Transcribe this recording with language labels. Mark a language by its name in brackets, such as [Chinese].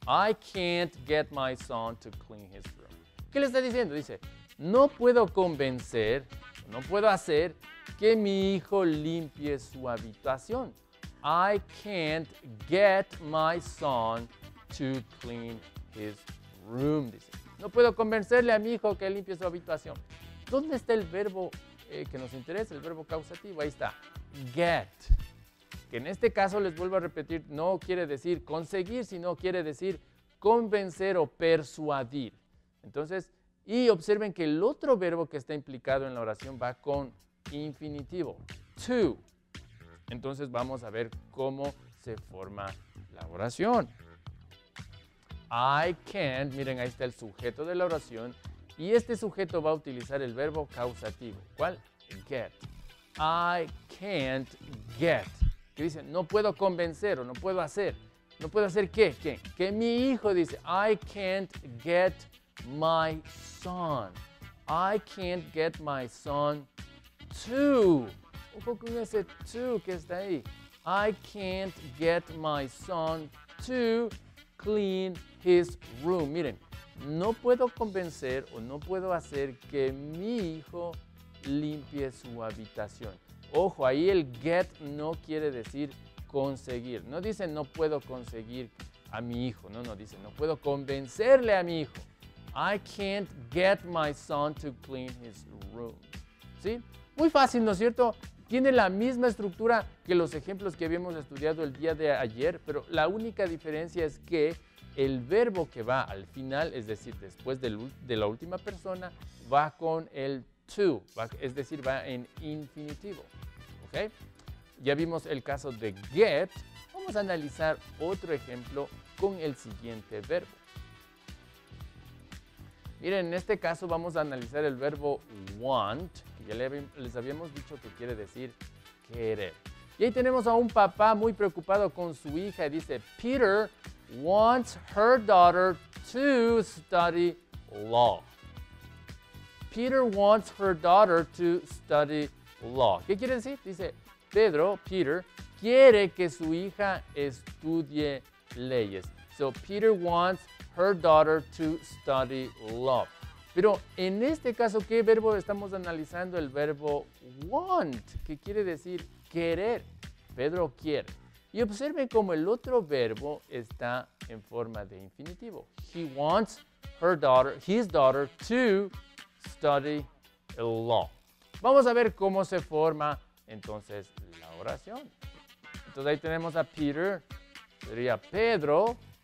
[English] I can't get my son to clean his room. [Spanish] ¿Qué le está diciendo? Dice, no puedo convencer, no puedo hacer que mi hijo limpie su habitación. [English] I can't get my son to clean his room. [Spanish] Dice, no puedo convencerle a mi hijo que limpie su habitación. ¿Dónde está el verbo que nos interesa, el verbo causativo? Ahí está, get. que en este caso, les vuelvo a repetir, no quiere decir conseguir, sino quiere decir convencer o persuadir. Entonces, y observen que el otro verbo que está implicado en la oración va con infinitivo, to. Entonces, vamos a ver cómo se forma la oración. [English] I can't, [Spanish] miren, ahí está el sujeto de la oración. Y este sujeto va a utilizar el verbo causativo. ¿Cuál? Get. [English] I can't get. [Spanish] Que dice, no puedo convencer o no puedo hacer. ¿No puedo hacer qué? ¿Qué? Que mi hijo dice, [English] I can't get my son. I can't get my son to. [Spanish] Ojo con ese to que está ahí. [English] I can't get my son to clean his room. [Spanish] Miren, no puedo convencer o no puedo hacer que mi hijo limpie su habitación. Ojo, ahí el get no quiere decir conseguir. No dice no puedo conseguir a mi hijo. No, no, dice no puedo convencerle a mi hijo. [English] I can't get my son to clean his room. [Spanish] ¿Sí? Muy fácil, ¿no es cierto? Tiene la misma estructura que los ejemplos que habíamos estudiado el día de ayer, pero la única diferencia es que el verbo que va al final, es decir, después de la última persona, va con el to, es decir, va en infinitivo. ¿Okay? Ya vimos el caso de get. Vamos a analizar otro ejemplo con el siguiente verbo. Miren, en este caso vamos a analizar el verbo want, que ya les habíamos dicho que quiere decir querer. Y ahí tenemos a un papá muy preocupado con su hija y dice, [English] Peter wants her daughter to study law. Peter wants her daughter to study law. [Spanish] ¿Qué quiere decir? Dice, Peter quiere que su hija estudie leyes. [English] So, Peter wants her daughter to study law. [Spanish] Pero en este caso, ¿qué verbo estamos analizando? El verbo want, que quiere decir querer. Pedro quiere. Y observen cómo el otro verbo está en forma de infinitivo. [English] He wants her daughter, his daughter to study law. [Spanish] Vamos a ver cómo se forma entonces la oración. Entonces ahí tenemos a Peter, sería Pedro.